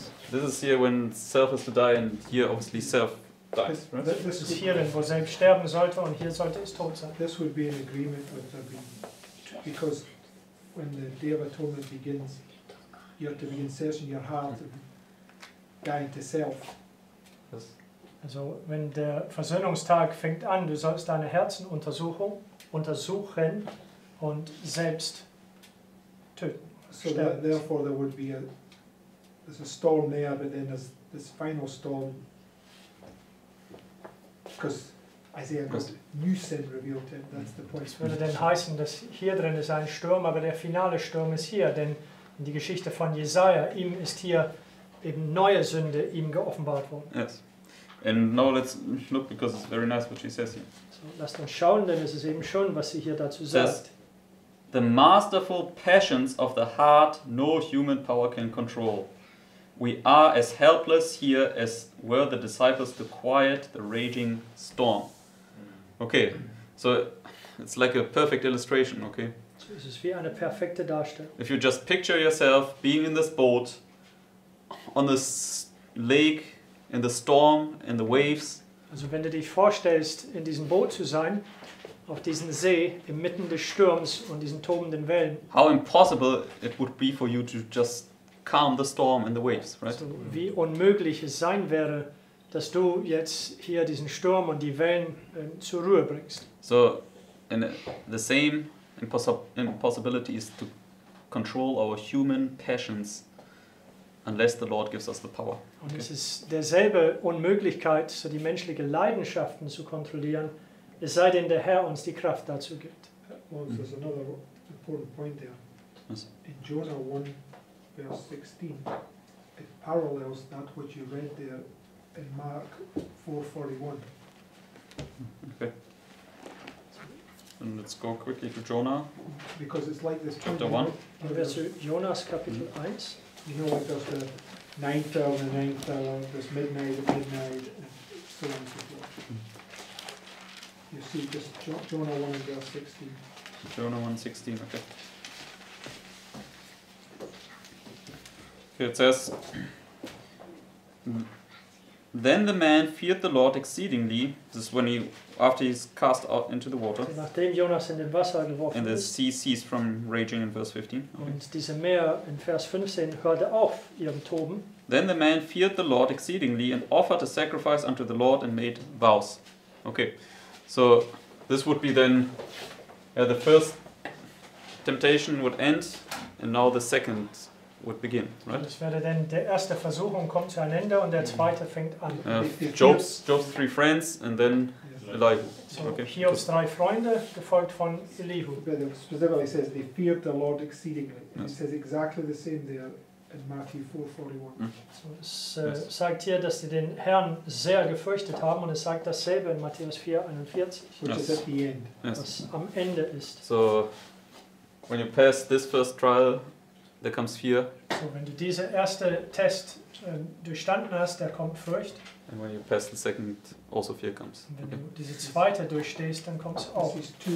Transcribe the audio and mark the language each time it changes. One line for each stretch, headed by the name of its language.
English: This is here when self is to die, and here obviously self dies. Right? This is here,
German: wo selbst sterben sollte, und hier sollte es tot sein.
English: This would be an agreement with the because when the Day of Atonement begins, you have to begin searching your heart and dying to self. Yes.
German: Also, wenn der Versöhnungstag fängt an, du sollst deine Herzen untersuchen. Und selbst töten.
English: So that, therefore there would be there's a storm there, but then there's this final storm. Because Isaiah got new sin revealed to him. That's the point.
German: Das würde denn heißen, dass hier drin ist ein Sturm, aber der finale Sturm ist hier, denn in die Geschichte von Jesaja, ihm ist hier eben neue Sünde ihm geoffenbart worden.
English: Yes. And now let's look, because it's very nice what she says here.
German: So lasst uns schauen, denn es ist eben schön, was sie hier dazu sagt.
English: The masterful passions of the heart no human power can control. We are as helpless here as were the disciples to quiet the raging storm. Okay, so it's like a perfect illustration, okay?
German: Es ist wie eine perfekte Darstellung.
English: If you just picture yourself being in this boat, on this lake, in the storm, in the waves.
German: Also wenn du dich vorstellst, in diesem Boot zu sein, auf diesen See inmitten des Sturms und diesen tobenden Wellen.
English: How impossible it would be for you to just calm the storm and the waves, right?
German: So, wie unmöglich es sein wäre, dass du jetzt hier diesen Sturm und die Wellen zur Ruhe bringst.
English: So, and the same impossibility is to control our human passions unless the Lord gives us the power.
German: Und okay. Es ist derselbe Unmöglichkeit, so die menschlichen Leidenschaften zu kontrollieren. Es sei denn, der Herr uns die Kraft dazu gibt.
English: Well, there's another important point there. In Jonah 1, verse 16, it parallels that which you read there in Mark 4:41. Okay. And let's go quickly to Jonah. Because it's like this. Chapter 1.
German: Jonas, Kapitel 1.
English: You know, like there's the ninth hour, the ninth hour, there's midnight, and so on and so forth. You see, just Jonah 1 and verse 16. Jonah 1:16, okay. Okay, it says, Then the man feared the Lord exceedingly. This is when he, after he's cast out into the water.
German: Also nachdem Jonas in den Wasser geworfen
English: and the sea ceased from raging in verse 15. Okay.
German: Und diese Meer in Vers 15 hörte auf ihrem Toben.
English: Then the man feared the Lord exceedingly and offered a sacrifice unto the Lord and made vows. Okay, so this would be then the first temptation would end and now the second would begin, right?
German: Das wäre dann der erste Versuchung kommt zu einem Ende und der zweite fängt an.
English: Job's three friends and then Elihu.
German: So Hiob's drei Freunde gefolgt von Elihu.
English: Specifically says they feared the Lord exceedingly. Yes. It says exactly the same there in Matthew 4:41.
German: So sagt hier, dass sie den Herrn sehr gefürchtet haben und es sagt dasselbe in Matthäus 4:41.
English: Which is at the end.
German: Yes. Was am Ende ist.
English: So when you pass this first trial, there comes fear.
German: So wenn du diese erste Test durchstanden hast, da kommt Furcht.
English: And when you pass the second, also fear comes.
German: Und wenn du diese zweite durchstehst, dann kommt auch Furcht.